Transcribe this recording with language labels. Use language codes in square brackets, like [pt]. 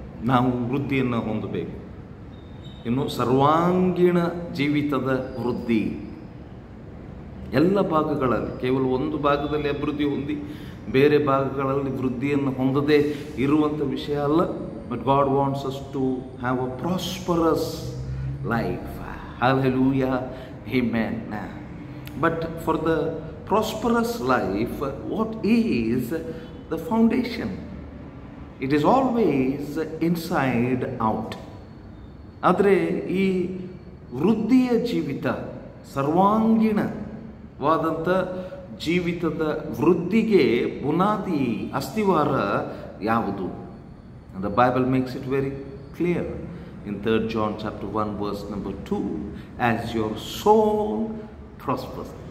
[kn] ನಾವು ವೃದ್ಧಿಯನ್ನು ಹೊಂದಬೇಕು, ಇನ್ನು ಸರ್ವಾಂಗೀಣ ಜೀವಿತದ ವೃದ್ಧಿ ಎಲ್ಲ ಭಾಗಗಳಲ್ಲಿ, ಕೇವಲ ಒಂದು ಭಾಗದಲ್ಲಿ ಅಭಿವೃದ್ಧಿ ಹೊಂದಿ ಬೇರೆ ಭಾಗಗಳಲ್ಲಿ ವೃದ್ಧಿಯನ್ನು ಹೊಂದದೇ ಇರುವಂಥ ವಿಷಯ ಅಲ್ಲ. [en] But God wants us to have a prosperous life. Hallelujah, Amen. But for the prosperous life, what is the foundation? It is always inside out. [kn] ಆದರೆ ಈ ವೃದ್ಧಿಯ ಜೀವಿತ, ಸರ್ವಾಂಗೀಣವಾದಂಥ ಜೀವಿತದ ವೃದ್ಧಿಗೆ ಬುನಾದಿ ಅಸ್ತಿವಾರ ಯಾವುದು? [en] The Bible makes it very clear. In 3 John chapter 1 verse number 2, as your soul prospers.